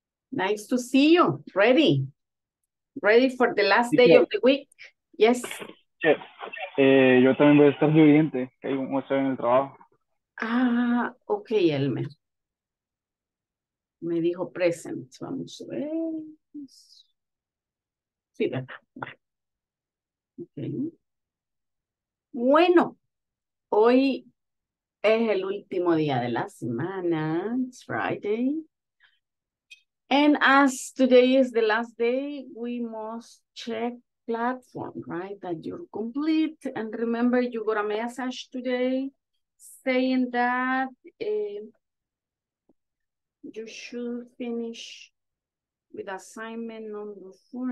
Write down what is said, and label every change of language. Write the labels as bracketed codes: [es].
[en] Nice to see you. Ready. Ready for the last day of the week. Yes. Yes. [es] Yo también voy a estar de oyente, que hay un WhatsApp en el trabajo. Ah, ok, Elmer. Me dijo present. Vamos a ver. Sí, verdad. Okay. Bueno, hoy es el último día de la semana. [en] It's Friday. And as today is the last day, we must check platform, right? That you're complete. And remember, you got a message today saying that you should finish with assignment number four.